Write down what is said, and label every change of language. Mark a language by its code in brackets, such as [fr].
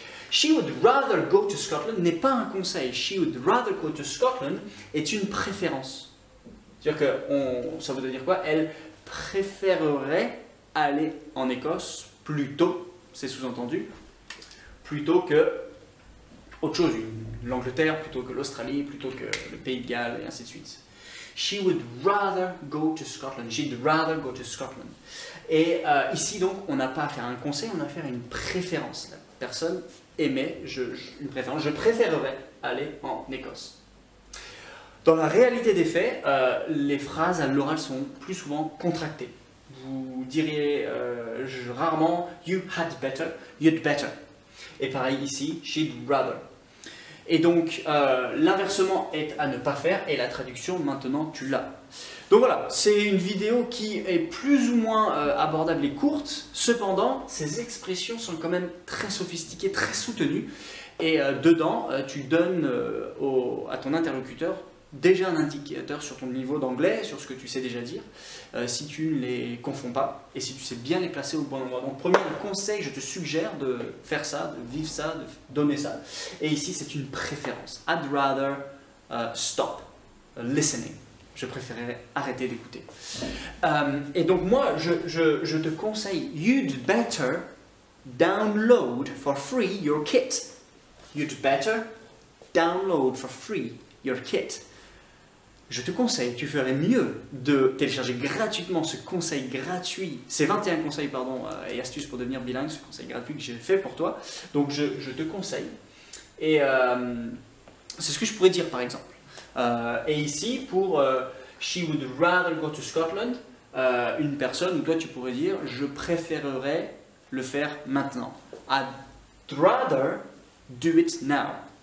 [en] She would rather go to Scotland [fr] n'est pas un conseil. [en] She would rather go to Scotland [fr] est une préférence. C'est-à-dire que ça veut dire quoi? Elle préférerait aller en Écosse plutôt, c'est sous-entendu, plutôt que autre chose, l'Angleterre, plutôt que l'Australie, plutôt que le Pays de Galles, et ainsi de suite. [en] She would rather go to Scotland. She'd rather go to Scotland. [fr] Et ici, donc, on n'a pas affaire à un conseil, on a affaire à une préférence. La personne aimait une préférence. Je préférerais aller en Écosse. Dans la réalité des faits, les phrases à l'oral sont plus souvent contractées. Vous diriez rarement [en] you had better, you'd better. [fr] Et pareil ici, [en] she'd rather. [fr] Et donc, l'inversement est à ne pas faire et la traduction, maintenant, tu l'as. Donc voilà, c'est une vidéo qui est plus ou moins abordable et courte. Cependant, ces expressions sont quand même très sophistiquées, très soutenues. Et dedans, tu donnes à ton interlocuteur déjà un indicateur sur ton niveau d'anglais, sur ce que tu sais déjà dire, si tu ne les confonds pas et si tu sais bien les placer au bon endroit. Donc, premier conseil, je te suggère de faire ça, de vivre ça, de donner ça. Et ici, c'est une préférence. [en] I'd rather stop, listening. [fr] Je préférerais arrêter d'écouter. Et donc moi, je te conseille, [en] you'd better download for free your kit. You'd better download for free your kit. [fr] Je te conseille, tu ferais mieux de télécharger gratuitement ce conseil gratuit, ces 21 conseils pardon, et astuces pour devenir bilingue, ce conseil gratuit que j'ai fait pour toi. Donc je te conseille. Et c'est ce que je pourrais dire par exemple. Et ici, pour « [en] she would rather go to Scotland [fr] », une personne, ou toi, tu pourrais dire « je préférerais le faire maintenant ».« [en] I'd rather do it now ».